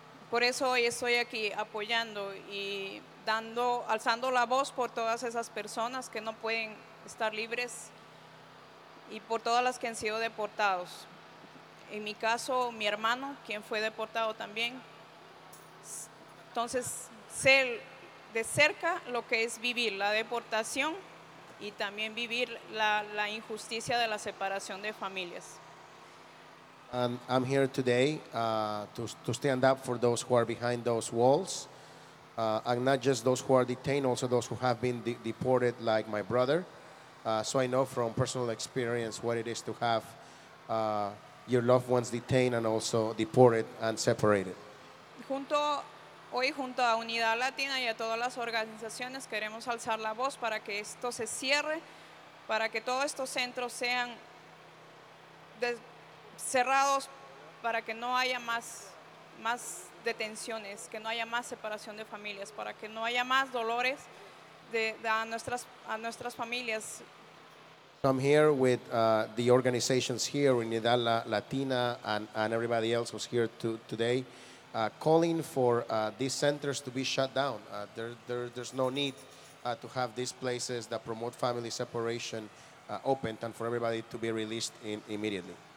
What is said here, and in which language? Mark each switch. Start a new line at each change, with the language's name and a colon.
Spanish: Por eso hoy estoy aquí apoyando y alzando la voz por todas esas personas que no pueden estar libres. Y por todas las que han sido deportados. En mi caso, mi hermano, quien fue deportado también. Entonces, sé de cerca lo que es vivir la deportación y también vivir la injusticia de la separación de familias.
English: And I'm here today to stand up for those who are behind those walls. And not just those who are detained, also those who have been deported like my brother. So I know from personal experience what it is to have your loved ones detained and also deported and separated.
Spanish: Junto a Unidad Latina y a todas las organizaciones queremos alzar la voz para que esto se cierre, para que todos estos centros sean cerrados, para que no haya más detenciones, que no haya más separación de familias, para que no haya más dolores a nuestras familias.
English: I'm here with the organizations here, Unidad Latina and everybody else who's here today, calling for these centers to be shut down. There's no need to have these places that promote family separation open and for everybody to be released immediately.